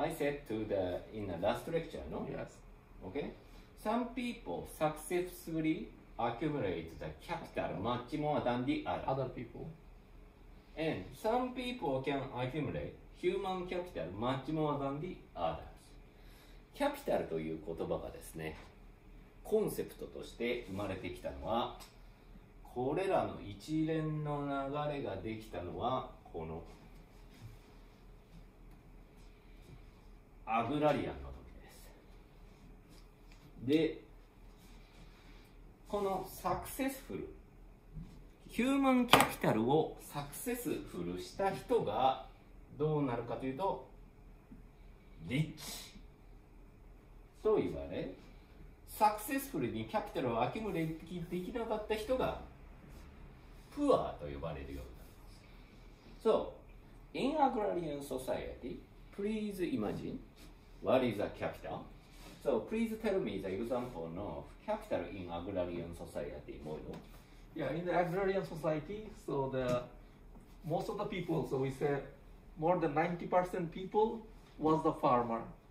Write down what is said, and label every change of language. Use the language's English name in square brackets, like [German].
[English] I said to the in the last lecture, no? Yes. Okay. Some people successfully accumulate the capital much more than the other people. And some people can accumulate human capital much more than the others. [Japanese] Capital という言葉がですね、コンセプトとして生まれてきたのは、これらの一連の流れができたのは、このアグラリアンの時です。で、このサクセスフル、ヒューマンキャピタルをサクセスフルした人がどうなるかというと、リッチと言われ、サクセスフルにキャピタルをアキュムレイできなかった人が、プアーと呼ばれるようになります。 [English] So, in agrarian society,Please imagine, what is a capital? So please tell me the example of capital in agrarian society, Moido. Yeah, in the agrarian society, so the most of the people, so we say more than 90% people was the farmer.